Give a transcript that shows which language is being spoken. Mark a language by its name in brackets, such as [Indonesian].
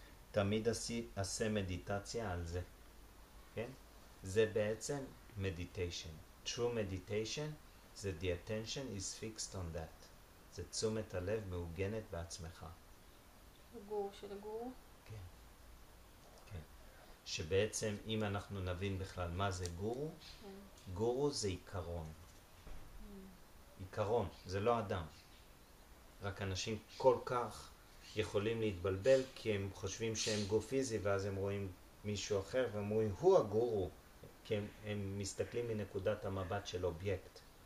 [Hebrew] תמיד עשה מדיטציה על זה, כן? זה בעצם מדיטיישן. [English] True meditation, the attention is fixed on that. [Hebrew] זה תשומת הלב מעוגנת בעצמך. הגור של הגור? כן. כן. שבעצם אם אנחנו נבין בכלל מה זה גורו, גורו זה עיקרון. עיקרון, זה לא אדם. רק אנשים כל כך יכולים להתבלבל כי הם חושבים שהם גוף פיזי ואז הם רואים מישהו אחר ואומרים הוא הגורו, כי הם מסתכלים מנקודת המבט של אובייקט.